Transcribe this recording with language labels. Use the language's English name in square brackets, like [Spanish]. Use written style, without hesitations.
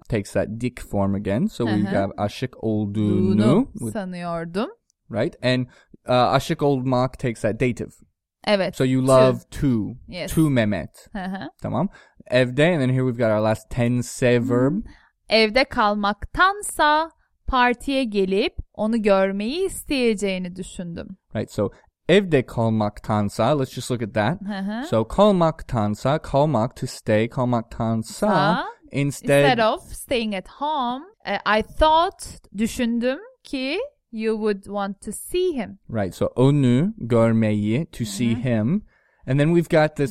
[English] takes that dik form again. So uh-huh. we have [Turkish] aşık olduğunu sanıyordum. [English] Right, and [Turkish] aşık olmak [English] takes that dative. [Turkish] Evet. [English] So you love to. Yes. To Mehmet. Uh-huh. [Turkish] Tamam. Evde, [English] and then here we've got our last tense verb. [Turkish] Evde kalmaktansa partiye gelip onu görmeyi isteyeceğini düşündüm. [English] Right, so [Turkish] evde kalmaktansa, [English] let's just look at that. Uh-huh. So [Turkish] kalmak, [English] to stay, [Turkish] kalmaktansa, [English] instead of staying at home, I thought, [Turkish] düşündüm ki... [English] You would want to see him. Right. So, [Turkish] onu görmeyi, [English] to mm-hmm. see him. And then we've got this